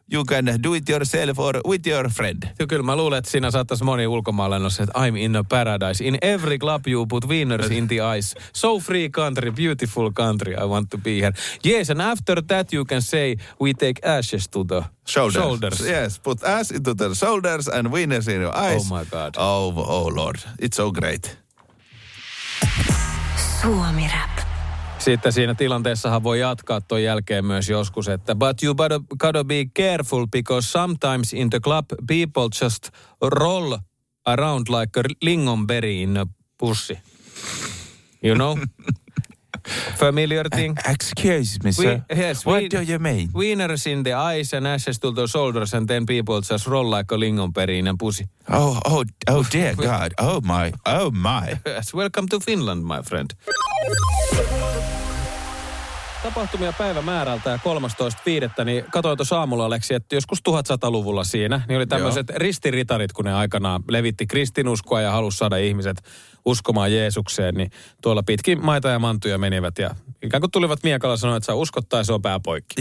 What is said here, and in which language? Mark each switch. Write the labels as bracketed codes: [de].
[en] you can do it yourself or with your friend. [fi] Ja kyllä mä luulen, että siinä saattaisi moni ulkomaalainnossa, että [en] I'm in a paradise. In every club you put wieners in the ice. So free country, beautiful country, I want to be here. Yes, and after that you can say we take ashes to the shoulders. Yes, put ashes into the shoulders and wieners in your eyes. Oh my God. Oh Lord, it's so great. Suomi Rap. [fi] Sitten siinä tilanteessahan voi jatkaa ton jälkeen myös joskus, että [en] but you gotta be careful because sometimes in the club people just roll around like a lingonberry in a pussy. You know? Familiar thing? Excuse me, sir. What do you mean? Wieners in the eyes and ashes to the shoulders and then people just roll like a lingonberry in a pussy. Oh dear God. Oh my. Yes, welcome to Finland, my friend. [fi] Tapahtumia päivämäärältä ja 13.5. niin katsoin tuossa aamulla, Aleksi, että joskus 1100-luvulla siinä, niin oli tämmöiset ristiritarit, kun ne aikanaan levitti kristinuskoa ja halusi saada ihmiset uskomaan Jeesukseen, niin tuolla pitkin maita ja mantuja menivät ja ikään kuin tulivat miekalla sanoa, että sä uskot tai se on pääpoikki.